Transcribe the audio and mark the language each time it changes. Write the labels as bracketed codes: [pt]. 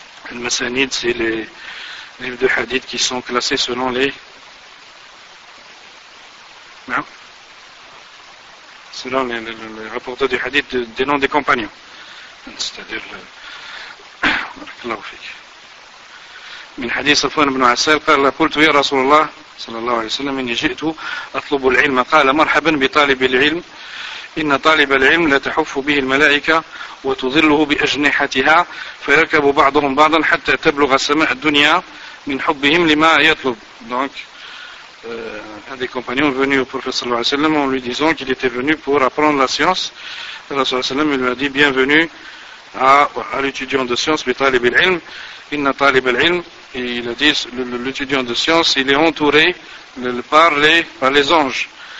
[fr] Al-Masanid, c'est les livres de hadith qui sont classés selon les. Selon le rapporteur du hadith des noms des compagnons. C'est-à-dire le. Barakallahu fik. [ar] Min hadith Safwan ibn Asal, قال قلت يا رسول الله صلى الله عليه وسلم إني جئت أطلب العلم. قال مرحبا بطالب العلم. إن طالب العلم لا تحف به الملائكة وتظله بأجنحتها فيركب بعضهم بعضا حتى تبلغ سماء الدنيا من حبهم لما يطلب. [fr] Donc, un des compagnons est venu au professeur صلى الله عليه وسلم en lui disant qu'il était venu pour apprendre la science. Le professeur صلى الله عليه وسلم lui a dit bienvenue à l'étudiant de science, mais [ar] طالب العلم. إن طالب العلم, [fr] et il a dit l'étudiant de science, il est entouré par les anges.